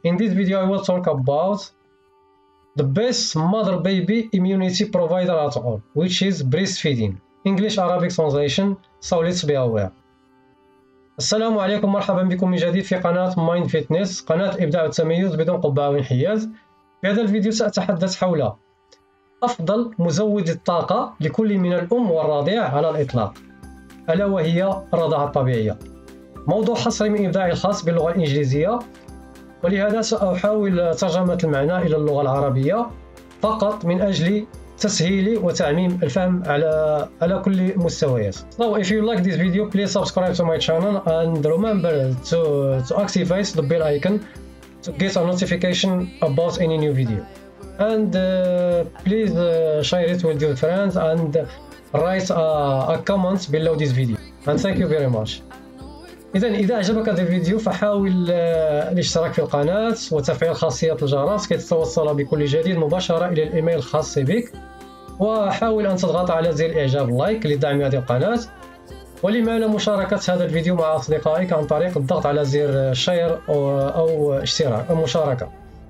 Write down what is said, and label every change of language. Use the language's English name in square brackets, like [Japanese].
[English] In this video, I will talk about the best mother baby immunity provider at all, which is breastfeeding. English Arabic translation, so let's be aware. [Arabic] السلام عليكم مرحبا بكم من جديد في قناة Mind Fitness, قناة إبداع التميز بدون قبعة وانحياز. في هذا الفيديو سأتحدث حول أفضل مزود الطاقة لكل من الأم والرضع على الإطلاق, ألا وهي الرضاعة الطبيعية. موضوع حصري من إبداعي الخاص باللغة الإنجليزية, ولهذا سأحاول ترجمة المعنى إلى اللغة العربية فقط من أجل تسهيلي وتعميم الفهم على كل مستويات. [English] So if you like this video, please subscribe to my channel and remember to activate the bell icon to get a notification about any new video. And please share it with your friends and write a comment below this video. And thank you very much. [Arabic] إذا أعجبك هذا الفيديو فحاول الاشتراك في القناة وتفعيل خاصية الجرس كي تتوصل بكل جديد مباشرة إلى الإيميل الخاص بك, وحاول أن تضغط على زر الإعجاب لايك لدعم هذه القناة, ولمعنى مشاركة هذا الفيديو مع أصدقائك عن طريق الضغط على زر شير أو اشتراك أو مشاركة.